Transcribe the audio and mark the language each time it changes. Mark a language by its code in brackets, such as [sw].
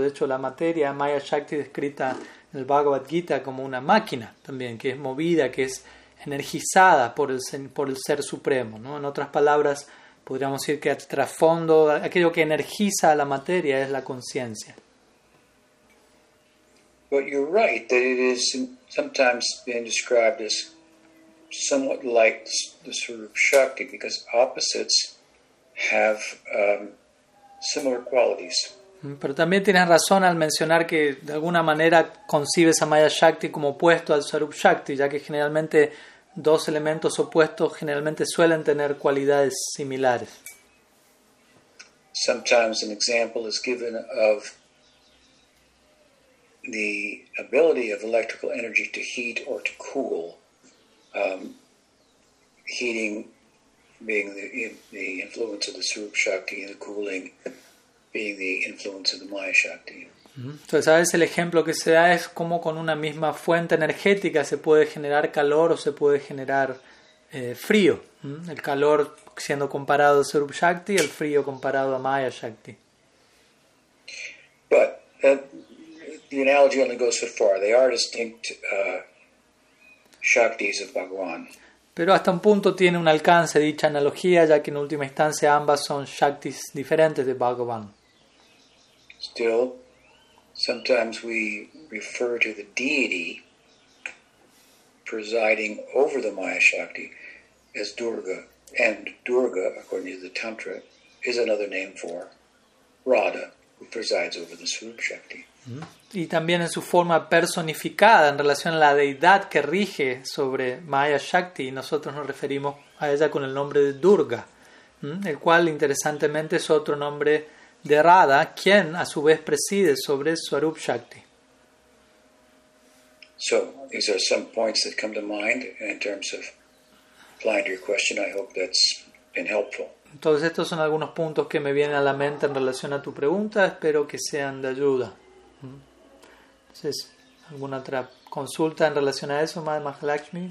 [es] De hecho, la materia, Maya Shakti, descrita en el Bhagavad Gita como una máquina también, que es movida, que es energizada por el Ser Supremo, ¿no? En otras palabras, podríamos decir que a trasfondo, aquello que energiza a la materia es la conciencia. [en] But you're right that it is sometimes being described as somewhat like the Swarup Shakti, because opposites have similar qualities. [es] Pero también tienes razón al mencionar que de alguna manera concibes a Maya Shakti como opuesto al Swarup Shakti, ya que generalmente dos elementos opuestos generalmente suelen tener cualidades similares. [en] Sometimes an example is given of the ability of electrical energy to heat or to cool, heating being the influence of the Swarup Shakti, and the cooling being the influence of the Maya Shakti. [es] Entonces, ¿sabes? El ejemplo que se da es cómo con una misma fuente energética se puede generar calor o se puede generar frío. El calor siendo comparado a Swarup Shakti, el frío comparado a Maya Shakti. [en] But the analogy only goes so far. They are distinct Shaktis of Bhagavan. [es] Pero hasta un punto tiene un alcance dicha analogía, ya que en última instancia ambas son Shaktis diferentes de Bhagavan. [en] Still, sometimes we refer to the deity presiding over the Maya Shakti as Durga. And Durga, according to the Tantra, is another name for Radha, who presides over the Swarup Shakti. [es] Y también en su forma personificada en relación a la deidad que rige sobre Maya Shakti, nosotros nos referimos a ella con el nombre de Durga, el cual interesantemente es otro nombre de Radha, quien a su vez preside sobre Swarup Shakti. [en] So, these are some points that come to mind in terms of applying to your question. I hope that's been helpful. [es] Entonces, estos son algunos puntos que me vienen a la mente en relación a tu pregunta. Espero que sean de ayuda. Entonces, ¿alguna otra consulta en relación a eso, Madre Mahalakshmi?